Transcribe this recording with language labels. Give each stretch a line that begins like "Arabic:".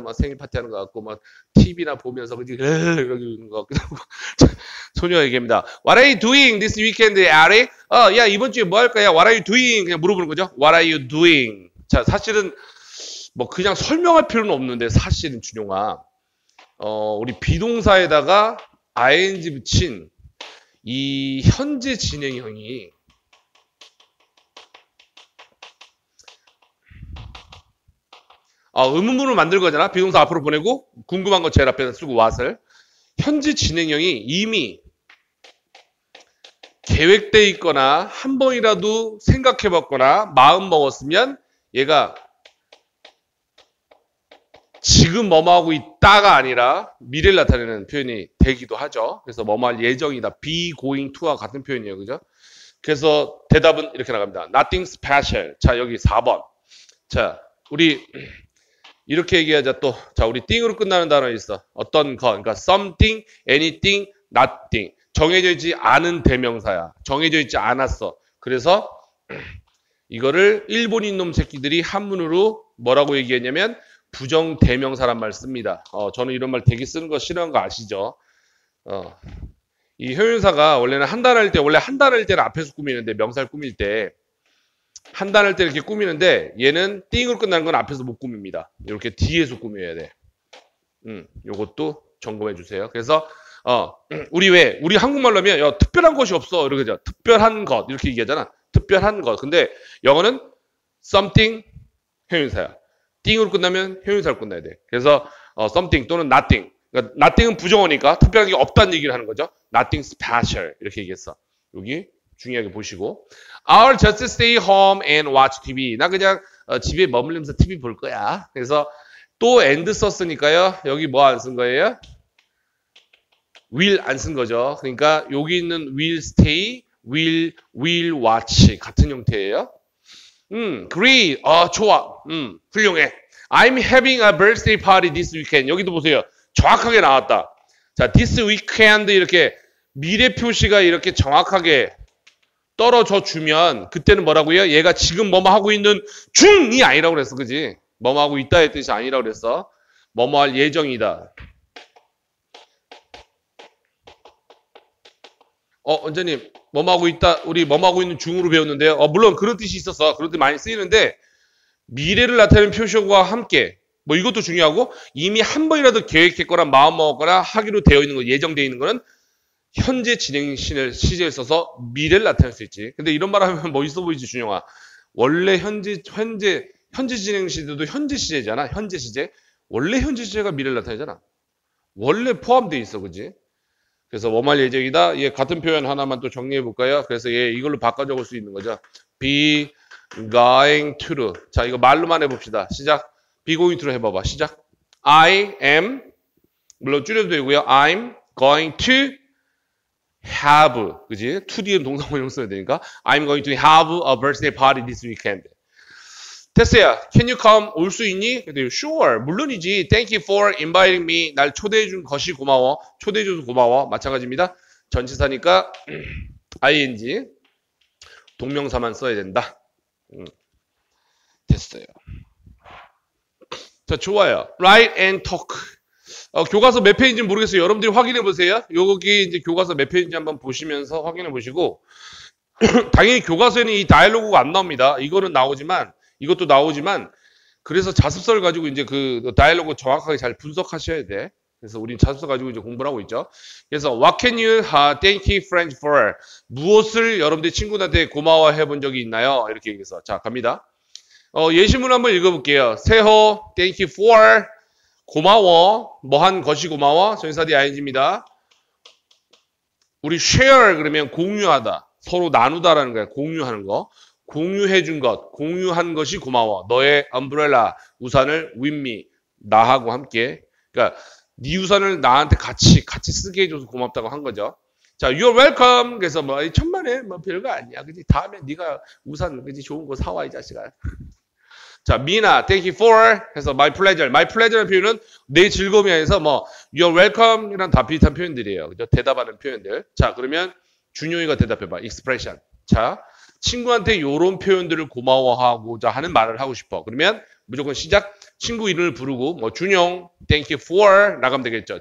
Korean: 막 생일 파티 하는 것 같고, 막, TV나 보면서, 그지? 이렇게 있는 것 같고. 소녀 얘기입니다.
English: What are you doing this weekend, Ari?
Korean: 야, 이번 주에 뭐 할 거야?
English: What are you doing?
Korean: 그냥 물어보는 거죠? What are you doing? 자, 사실은, 뭐, 그냥 설명할 필요는 없는데, 사실은, 준용아. 우리 비동사에다가 ing 붙인, 이 현재 진행형이 의문문을 만들 거잖아. 비동사 앞으로 보내고 궁금한 거 제일 앞에다 쓰고 what을 현재 진행형이 이미 계획돼 있거나 한 번이라도 생각해봤거나 마음 먹었으면 얘가 지금 뭐뭐하고 있다가 아니라 미래를 나타내는 표현이 되기도 하죠. 그래서 뭐뭐할 예정이다. be going to와 같은 표현이에요. 그죠? 그래서 대답은 이렇게 나갑니다.
English: nothing special.
Korean: 자, 여기 4번. 자, 우리 이렇게 얘기하자 또. 자, 우리 thing으로 끝나는 단어 있어. 어떤 거. 그러니까 something, anything, nothing. 정해져 있지 않은 대명사야. 정해져 있지 않았어. 그래서 이거를 일본인 놈 새끼들이 한문으로 뭐라고 얘기했냐면 부정 대명사란 말 씁니다. 저는 이런 말 되게 쓰는 거 싫어하는 거 아시죠? 이 효용사가 원래는 한 단어일 때, 원래 한 단어일 때는 앞에서 꾸미는데, 명사를 꾸밀 때, 한 단어 때 이렇게 꾸미는데 얘는 띵으로 끝나는 건 앞에서 못 꾸밉니다. 이렇게 뒤에서 꾸며야 돼. 요것도 점검해 주세요. 그래서 우리 왜 우리 한국말로 하면 야, 특별한 것이 없어 이렇게 하죠. 특별한 것 이렇게 얘기하잖아. 특별한 것. 근데 영어는 something 형용사야. 띵으로 끝나면 형용사로 끝나야 돼. 그래서 something 또는 nothing. 그러니까 nothing은 부정어니까 특별한 게 없다는 얘기를 하는 거죠.
English: Nothing special
Korean: 이렇게 얘기했어. 여기 중요하게 보시고.
English: I'll just stay home and watch TV.
Korean: 나 그냥 집에 머물면서 TV 볼 거야. 그래서 또 and 썼으니까요. 여기 뭐안쓴 거예요? will 안쓴 거죠. 그러니까 여기 있는 will stay, will watch 같은 형태예요. Great. 좋아. 훌륭해.
English: I'm having a birthday party this weekend.
Korean: 여기도 보세요. 정확하게 나왔다. 자, this weekend 이렇게 미래 표시가 이렇게 정확하게 떨어져 주면 그때는 뭐라고요? 얘가 지금 뭐뭐 하고 있는 중이 아니라고 그랬어. 그지? 뭐뭐 하고 있다 했듯이 아니라고 그랬어. 뭐뭐 할 예정이다. 원장님, 뭐뭐 하고 있다. 우리 뭐뭐 하고 있는 중으로 배웠는데요. 물론 그런 뜻이 있어서 그런 뜻 많이 쓰이는데 미래를 나타내는 표시어와 함께 뭐 이것도 중요하고 이미 한 번이라도 계획했거나 마음먹었거나 하기로 되어 있는 거 예정되어 있는 거는 현재 진행 시제에 있어서 미래를 나타낼 수 있지. 근데 이런 말 하면 멋있어 보이지, 준영아. 원래 현재 진행 시제도 현재 시제잖아. 현재 시제. 원래 현재 시제가 미래를 나타내잖아. 원래 포함되어 있어, 그지? 그래서 뭐말 예정이다. 얘 같은 표현 하나만 또 정리해 볼까요? 그래서 얘 이걸로 바꿔 적을 수 있는 거죠.
English: Be going to.
Korean: 자, 이거 말로만 해 봅시다. 시작.
English: Be going to
Korean: 해 봐봐. 시작.
English: I am.
Korean: 물론 줄여도 되고요.
English: I'm going to have,
Korean: 그지? to 뒤에 동사무용 써야 되니까.
English: I'm going to have a birthday party this weekend.
Korean: 됐어요.
English: Can you come?
Korean: 올수 있니? 근데 sure. 물론이지.
English: Thank you for inviting me.
Korean: 날 초대해준 것이 고마워. 초대해줘서 고마워. 마찬가지입니다. 전치사니까, ing. 동명사만 써야 된다. 됐어요. 자, 좋아요. Write and talk. 교과서 몇 페이지인지 모르겠어요. 여러분들이 확인해 보세요. 여기 이제 교과서 몇 페이지인지 한번 보시면서 확인해 보시고. 당연히 교과서에는 이 다이얼로그가 안 나옵니다. 이거는 나오지만, 이것도 나오지만, 그래서 자습서를 가지고 이제 그 다이얼로그 정확하게 잘 분석하셔야 돼. 그래서 우린 자습서 가지고 이제 공부를 하고 있죠.
English: 그래서, What can you thank you friends for?
Korean: 무엇을 여러분들 친구들한테 고마워해 본 적이 있나요? 이렇게 얘기해서. 자, 갑니다. 예시문 한번 읽어 볼게요.
English: 세호, thank you for.
Korean: 고마워. 뭐한 것이 고마워? 전치사 뒤 ing입니다. 우리 share 그러면 공유하다. 서로 나누다라는 거야. 공유하는 거. 공유해준 것. 공유한 것이 고마워. 너의 umbrella. 우산을
English: with me.
Korean: 나하고 함께. 그러니까 네 우산을 나한테 같이 쓰게 해줘서 고맙다고 한 거죠.
English: 자, you're welcome.
Korean: 그래서 뭐 천만에 뭐 별거 아니야. 그지? 다음에 네가 우산 그지 좋은 거 사와 이 자식아.
English: 자, 미나, thank you for,
Korean: 해서
English: my pleasure.
Korean: my pleasure 표현은 내 즐거움이 아니라서 뭐,
English: you're welcome
Korean: 이란 다 비슷한 표현들이에요. 그죠? 대답하는 표현들. 자, 그러면 준용이가 대답해봐.
English: expression.
Korean: 자, 친구한테 요런 표현들을 고마워하고자 하는 말을 하고 싶어. 그러면 무조건 시작. 친구 이름을 부르고, 뭐, 준용,
English: thank you for,
Korean: 나가면 되겠죠.